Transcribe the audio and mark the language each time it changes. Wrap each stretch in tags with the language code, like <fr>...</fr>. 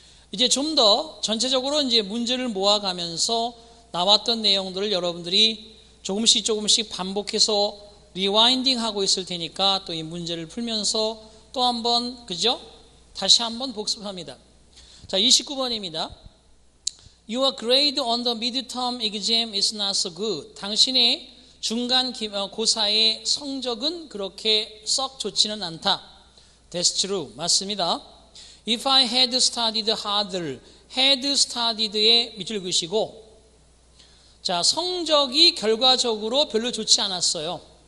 <ko>이제 좀 더 전체적으로 이제 문제를 모아가면서 나왔던 내용들을 여러분들이 조금씩 조금씩 반복해서 리와인딩하고 있을 테니까 또 이 문제를 풀면서 또 한번 그죠? 다시 한번 복습합니다. 자, 29번입니다.</ko> <en>Your grade on the midterm exam is not so good.</en> <ko>당신의 중간 고사의 성적은 그렇게 썩 좋지는 않다.</ko> <en>That's true.</en> <ko>맞습니다.</ko> <en>If I had studied harder,</en> <ko>had studied의 밑줄 그시고, 자, 성적이 결과적으로 별로 좋지 않았어요.</ko>